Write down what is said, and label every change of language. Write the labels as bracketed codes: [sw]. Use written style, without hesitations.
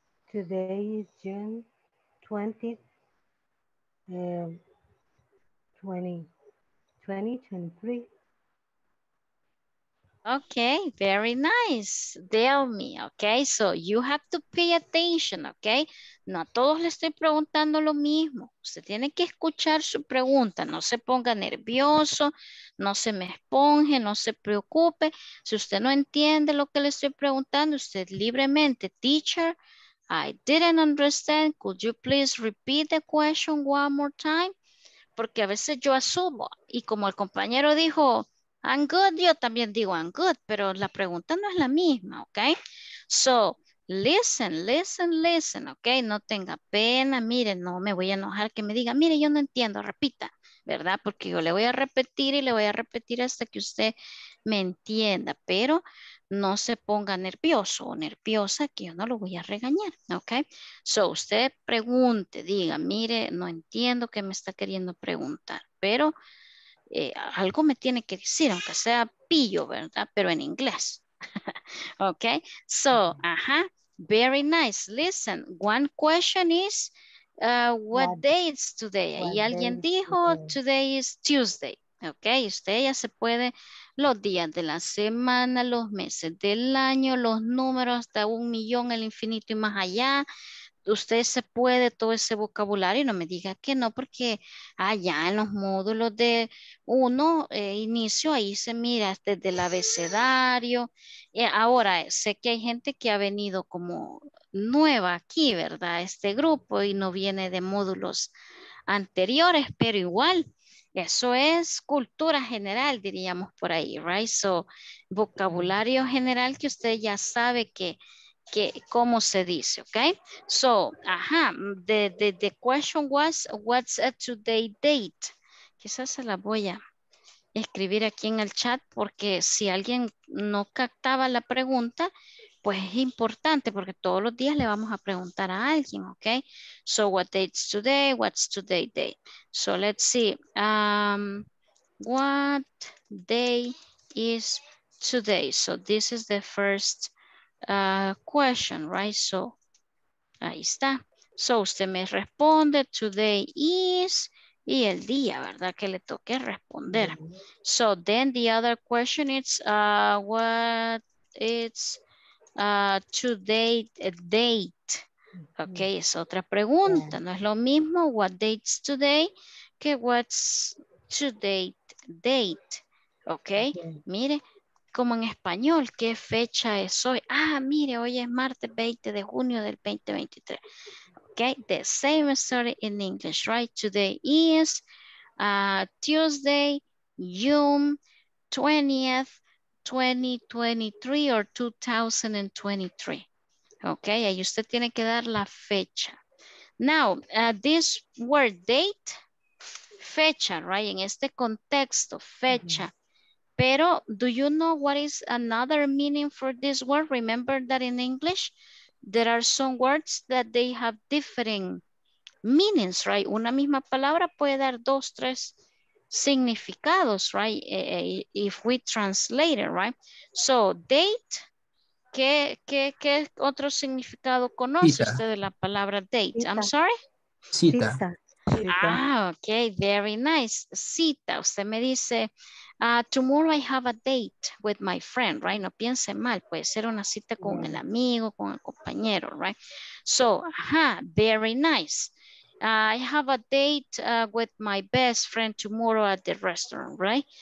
[en] Today is June 20, 2023. Okay, very nice, Delmi. Okay, so you have to pay attention, okay? [es] No a todos le estoy preguntando lo mismo. Usted tiene que escuchar su pregunta. No se ponga nervioso, no se me esponje, no se preocupe. Si usted no entiende lo que le estoy preguntando, usted libremente, [en] teacher, I didn't understand. Could you please repeat the question one more time? [es] Porque a veces yo asumo, y como el compañero dijo, [en] I'm good, [es] yo también digo I'm good, pero la pregunta no es la misma, ¿ok? [en] So, listen, listen, listen, ¿ok? [es] No tenga pena, mire, no me voy a enojar que me diga, mire, yo no entiendo, repita, ¿verdad? Porque yo le voy a repetir y le voy a repetir hasta que usted me entienda, pero no se ponga nervioso o nerviosa, que yo no lo voy a regañar, ¿ok? So, usted pregunte, diga, mire, no entiendo qué me está queriendo preguntar, pero algo me tiene que decir, aunque sea pillo, ¿verdad? Pero en inglés. [en] Ok, so, very nice. Listen, one question is, what day is today? [es] Y alguien dijo, [en] today is Tuesday. [es] Ok, usted ya se puede, los días de la semana, los meses del año, los números, hasta un millón, el infinito y más allá. Usted se puede todo ese vocabulario, no me diga que no, porque allá en los módulos de uno, inicio, ahí se mira desde el abecedario. Ahora, sé que hay gente que ha venido como nueva aquí, ¿verdad? Este grupo y no viene de módulos anteriores, pero igual, eso es cultura general, diríamos por ahí, ¿right? So, vocabulario general que usted ya sabe que cómo se dice, ¿ok? [en] So, the question was, what's a today date? [es] Quizás se la voy a escribir aquí en el chat porque si alguien no captaba la pregunta, pues es importante porque todos los días le vamos a preguntar a alguien, ¿ok? [en] So, what date's today? What's today date? So, let's see. What day is today? So, this is the first question, right? [es] So, ahí está. So, usted me responde, [en] today is, [es] y el día, ¿verdad? Que le toque responder. [en] So, then the other question is, what is today date? [es] Okay, es otra pregunta. No es lo mismo, [en] what date's today, [es] que [en] what's today date? [es] Okay, mire, como en español, ¿qué fecha es hoy? Ah, mire, hoy es martes 20 de junio del 2023. [en] Okay, the same story in English, right? Today is Tuesday, June 20th, 2023 or 2023. [es] Okay, ahí usted tiene que dar la fecha. [en] Now, this word date, fecha, right? [es] En este contexto, fecha. [en] Pero do you know what is another meaning for this word? Remember that in English, there are some words that they have different meanings, right? [es] Una misma palabra puede dar dos, tres significados, right? [en] If we translate it, right? So, date, [es] ¿qué otro significado conoce [en] cita. [es] Usted de la palabra date? Cita. [en] I'm sorry? [es] Cita. [en] Ah, okay, very nice. [es] Cita, usted me dice, [en] tomorrow I have a date with my friend, right? [es] No piense mal, puede ser una cita con el amigo, con el compañero, right? [en] So, very nice. I have a date with my best friend tomorrow at the restaurant, right?